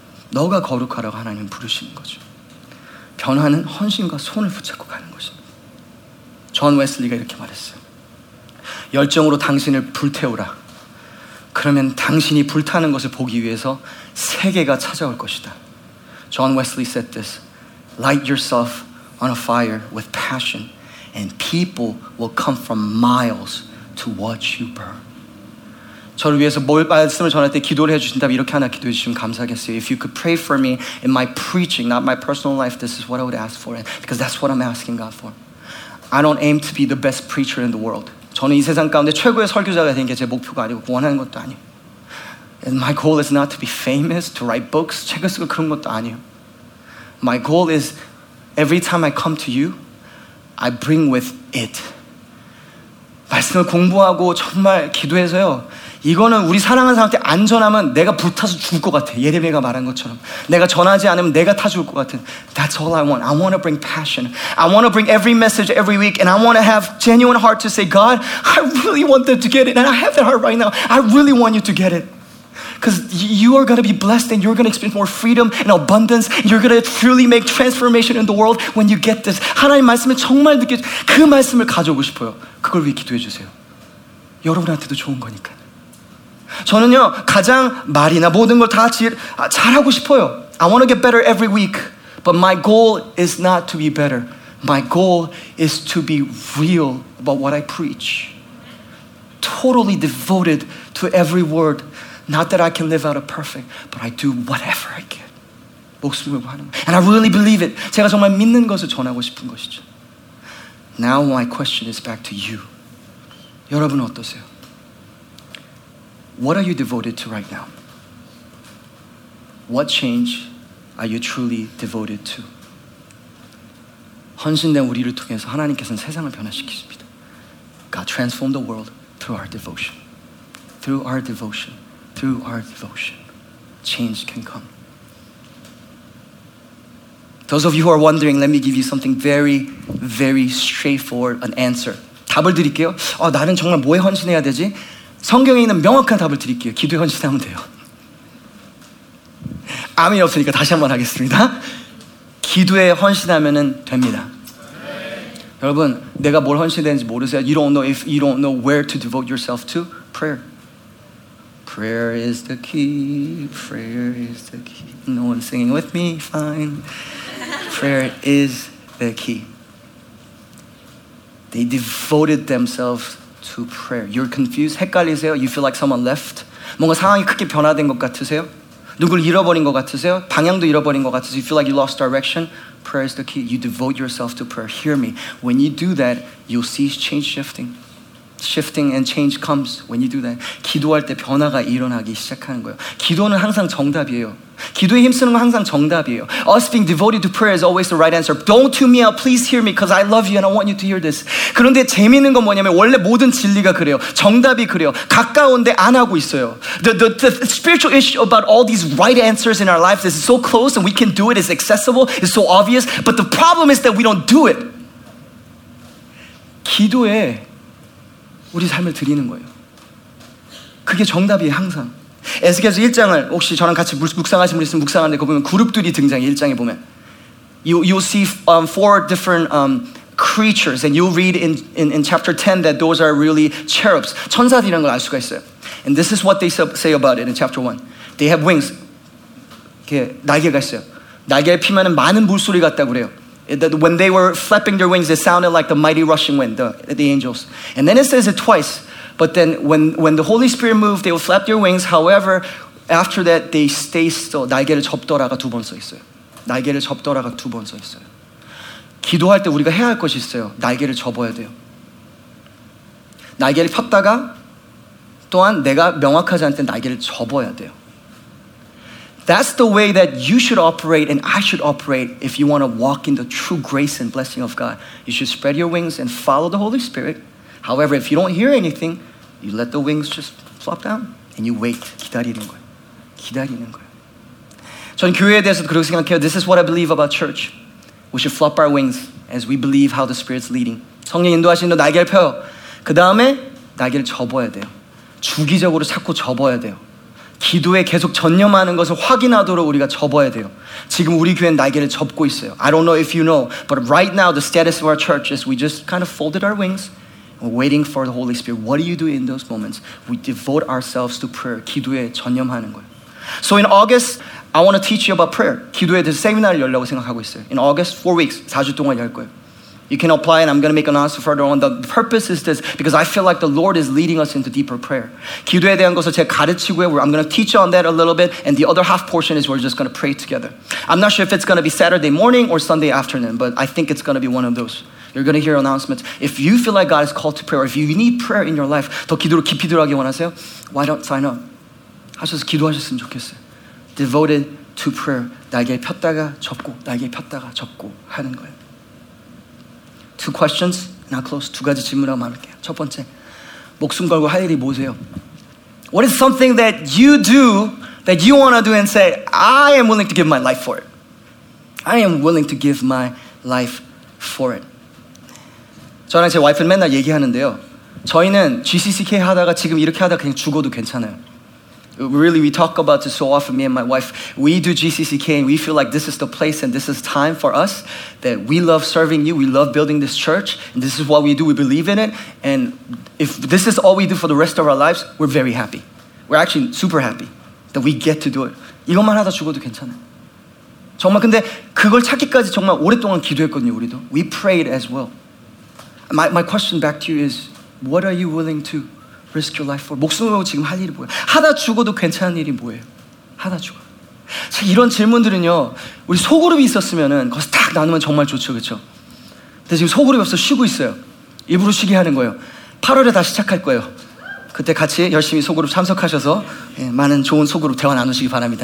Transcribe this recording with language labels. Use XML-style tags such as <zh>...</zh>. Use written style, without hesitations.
<ko>너가 거룩하라고 하나님 부르시는 거죠. 변화는 헌신과 손을 붙잡고 가는 것입니다. 존 웨슬리가 이렇게 말했어요. 열정으로 당신을 불태우라. 그러면 당신이 불타는 것을 보기 위해서 세계가 찾아올 것이다.</ko> <en>John Wesley said this, light yourself on a fire with passion and people will come from miles to watch you burn.</en> <ko>저를 위해서 뭘 말씀을 전할 때 기도를 해주신다면 이렇게 하나 기도해 주시면 감사하겠어요.</ko> <en>If you could pray for me in my preaching, not my personal life, this is what I would ask for. Because that's what I'm asking God for. I don't aim to be the best preacher in the world.</en> <ko>저는 이 세상 가운데 최고의 설교자가 되는 게 제 목표가 아니고 원하는 것도 아니에요.</ko> <en>And my goal is not to be famous, to write books,</en> <ko>책을 쓰고 그런 것도 아니에요.</ko> <en>My goal is every time I come to you, I bring with it.</en> <ko>말씀을 공부하고 정말 기도해서요. 이거는 우리 사랑하는 사람한테 안전하면 내가 불타서 죽을 것 같아. 예레미야가 말한 것처럼. 내가 전하지 않으면 내가 타 죽을 것 같은.</ko> <en>That's all I want. I want to bring passion. I want to bring every message every week. And I want to have genuine heart to say, God, I really want them to get it. And I have that heart right now. I really want you to get it. Because you are going to be blessed and you're going to experience more freedom and abundance. You're going to truly make transformation in the world when you get this.</en> <ko>하나님 말씀을 정말 느껴져. 그 말씀을 가져오고 싶어요. 그걸 위해 기도해 주세요. 여러분한테도 좋은 거니까. 저는요, 가장 말이나 모든 걸 다 잘하고 싶어요.</ko> <en>I want to get better every week. But my goal is not to be better. My goal is to be real about what I preach. Totally devoted to every word. Not that I can live out a perfect, but I do whatever I can.</en> <ko>목숨을 하는 거.</ko> <en>And I really believe it.</en> <ko>제가 정말 믿는 것을 전하고 싶은 것이죠.</ko> <en>Now my question is back to you.</en> <ko>여러분 어떠세요?</ko> <en>What are you devoted to right now? What change are you truly devoted to?</en> <ko>헌신된 우리를 통해서 하나님께서는 세상을 변화시키십니다.</ko> <en>God transformed the world through our devotion. Through our devotion. Through our devotion, change can come. Those of you who are wondering, let me give you something very, very straightforward, an answer.</en> <ko>답을 드릴게요. 아, 나는 정말 뭐에 헌신해야 되지? 성경에 있는 명확한 답을 드릴게요. 기도에 헌신하면 돼요. 아멘 없으니까 다시 한번 하겠습니다. 기도에 헌신하면 됩니다. 여러분, 내가 뭘 헌신해야 되는지 모르세요?</ko> <en>You don't know if you don't know where to devote yourself to prayer. Prayer is the key, prayer is the key. No one's singing with me, fine. Prayer is the key. They devoted themselves to prayer. You're confused?</en> <ko>헷갈리세요?</ko> <en>You feel like someone left?</en> <ko>뭔가 상황이 크게 변화된 것 같으세요? 누굴 잃어버린 것 같으세요? 방향도 잃어버린 것 같으세요?</ko> <en>You feel like you lost direction? Prayer is the key. You devote yourself to prayer. Hear me. When you do that, you'll see change shifting. Shifting and change comes when you do that.</en> <ko>기도할 때 변화가 일어나기 시작하는 거예요. 기도는 항상 정답이에요. 기도에 힘쓰는 건 항상 정답이에요.</ko> <en>Us being devoted to prayer is always the right answer. Don't tune me out. Please hear me because I love you and I want you to hear this.</en> <ko>그런데 재미있는 건 뭐냐면 원래 모든 진리가 그래요. 정답이 그래요. 가까운데 안 하고 있어요.</ko> <en>The spiritual issue about all these right answers in our lives is so close and we can do it. It's accessible. It's so obvious. But the problem is that we don't do it.</en> <ko>기도에 우리 삶을 드리는 거예요. 그게 정답이에요, 항상. 에스겔서 1장을 혹시 저랑 같이 묵상하신 분 있으면 묵상하는데 거 보면 그룹들이 등장해요, 1장에 보면.</ko> <en>You'll see four different creatures and you'll read in chapter 10 that those are really cherubs.</en> <ko>천사들이라는 걸 알 수가 있어요.</ko> <en>And this is what they say about it in chapter 1. They have wings.</en> <ko>이렇게 날개가 있어요. 날개에 피면은 많은 물소리 같다고 그래요.</ko> <en>When they were flapping their wings, it sounded like the mighty rushing wind, the angels. And then it says it twice. But then when the Holy Spirit moved, they would flap their wings. However, after that, they stay still.</en> <ko>날개를 접더라가 두 번 써 있어요. 날개를 접더라가 두 번 써 있어요. 기도할 때 우리가 해야 할 것이 있어요. 날개를 접어야 돼요. 날개를 폈다가 또한 내가 명확하지 않을 때 날개를 접어야 돼요.</ko> <en>That's the way that you should operate and I should operate if you want to walk in the true grace and blessing of God. You should spread your wings and follow the Holy Spirit. However, if you don't hear anything, you let the wings just flop down and you wait.</en> <ko>기다리는 거예요. 기다리는 거예요. 전 교회에 대해서 그렇게 생각해요.</ko> <en>This is what I believe about church. We should flop our wings as we believe how the Spirit's leading.</en> <ko>성령 인도하시는 날개를 펴요. 그 다음에 날개를 접어야 돼요. 주기적으로 자꾸 접어야 돼요. 기도에 계속 전념하는 것을 확인하도록 우리가 접어야 돼요. 지금 우리 교회는 날개를 접고 있어요.</ko> <en>I don't know if you know, but right now the status of our church is we just kind of folded our wings and we're waiting for the Holy Spirit. What do you do in those moments? We devote ourselves to prayer.</en> <ko>기도에 전념하는 거예요.</ko> <en>So in August, I want to teach you about prayer.</en> <ko>기도에 대해서 세미나를 열려고 생각하고 있어요.</ko> <en>In August, 4 weeks,</en> <ko>4주 동안 열 거예요.</ko> <en>You can apply it. I'm going to make an answer further on. The purpose is this, because I feel like the Lord is leading us into deeper prayer.</en> <ko>기도에 대한 것을 제가 가르치고요.</ko> <en>I'm going to teach on that a little bit. And the other half portion is we're just going to pray together. I'm not sure if it's going to be Saturday morning or Sunday afternoon, but I think it's going to be one of those. You're going to hear announcements. If you feel like God is called to prayer, or if you need prayer in your life,</en> <ko>더 기도를 깊이 들어가기 원하세요?</ko> <en>Why don't sign up?</en> <ko>하셔서 기도하셨으면 좋겠어요.</ko> <en>Devoted to prayer.</en> <ko>날개 폈다가 접고, 날개 폈다가 접고 하는 거예요.</ko> <en>Two questions, and I'll close.</en> <ko>두 가지 질문하고 말할게요. 첫 번째, 목숨 걸고 할 일이 뭐세요?</ko> <en>What is something that you do, that you want to do and say, I am willing to give my life for it. I am willing to give my life for it.</en> <ko>저랑 제 와이프는 맨날 얘기하는데요. 저희는 GCCK 하다가 지금 이렇게 하다가 그냥 죽어도 괜찮아요.</ko> <en>Really, we talk about this so often, me and my wife. We do GCCK and we feel like this is the place and this is time for us that we love serving you, we love building this church, and this is what we do, we believe in it. And if this is all we do for the rest of our lives, we're very happy. We're actually super happy that we get to do it.</en> <ko>이것만 하다 죽어도 괜찮아. 정말 근데 그걸 찾기까지 정말 오랫동안 기도했거든요, 우리도.</ko> <en>We prayed as well. My question back to you is, what are you willing to risk your life for?</en> <ko>목숨을 걸고 지금 할 일이 뭐예요? 하다 죽어도 괜찮은 일이 뭐예요? 하다 죽어. 자, 이런 질문들은요, 우리 소그룹이 있었으면은 거기서 딱 나누면 정말 좋죠, 그렇죠? 근데 지금 소그룹이 없어 쉬고 있어요. 일부러 쉬게 하는 거예요. 8월에 다시 시작할 거예요. 그때 같이 열심히 소그룹 참석하셔서 예, 많은 좋은 소그룹 대화 나누시기 바랍니다.</ko>